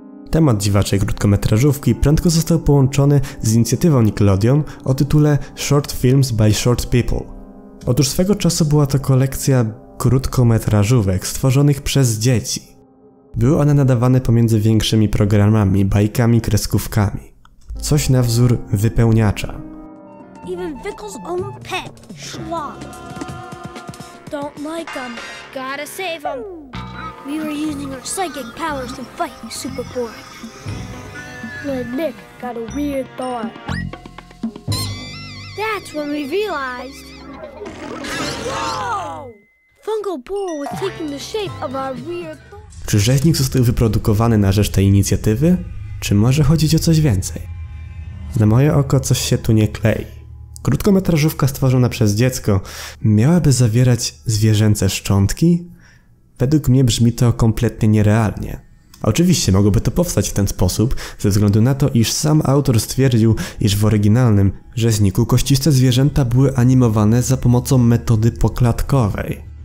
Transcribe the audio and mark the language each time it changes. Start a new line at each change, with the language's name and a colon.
Polish: Temat dziwaczej krótkometrażówki prędko został połączony z inicjatywą Nickelodeon o tytule Short Films by Short People. Otóż swego czasu była to kolekcja krótkometrażówek stworzonych przez dzieci. Były one nadawane pomiędzy większymi programami, bajkami, kreskówkami. Coś na wzór wypełniacza.
English: Even Vickle's own pet, Schlock. Don't like him. Gotta save him. We were using our psychic powers to fight Super Boy. But Nick got a weird thought. That's when we realized... Whoa! Fungal Boy was taking the shape of our weird thought.
Polish: Czy rzeźnik został wyprodukowany na rzecz tej inicjatywy? Czy może chodzić o coś więcej? Na moje oko coś się tu nie klei. Krótkometrażówka stworzona przez dziecko miałaby zawierać zwierzęce szczątki? Według mnie brzmi to kompletnie nierealnie. Oczywiście mogłoby to powstać w ten sposób, ze względu na to, iż sam autor stwierdził, iż w oryginalnym rzeźniku kościste zwierzęta były animowane za pomocą metody poklatkowej.